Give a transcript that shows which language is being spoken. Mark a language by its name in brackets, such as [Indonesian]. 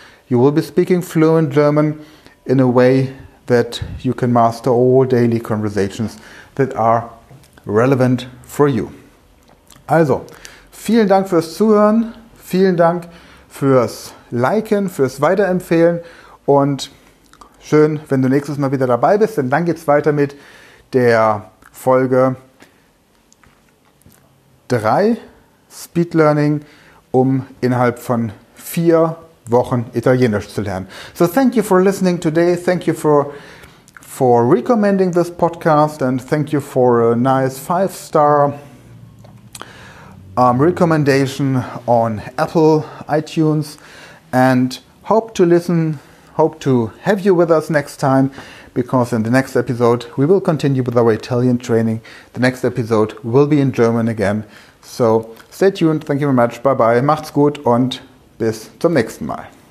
[English] You will be speaking fluent German in a way that you can master all daily conversations that are relevant for you. [German] Also, vielen Dank fürs Zuhören, vielen Dank fürs Liken, fürs Weiterempfehlen und schön, wenn du nächstes Mal wieder dabei bist, denn dann geht's weiter mit der Folge 3 Speed Learning, um innerhalb von 4 Wochen Italienisch zu lernen. [English] So thank you for listening today, thank you for recommending this podcast and thank you for a nice 5-star recommendation on Apple iTunes, and hope to have you with us next time, because in the next episode we will continue with our Italian training. The next episode will be in German again. So stay tuned, thank you very much, bye bye, [German] macht's gut und bis zum nächsten Mal.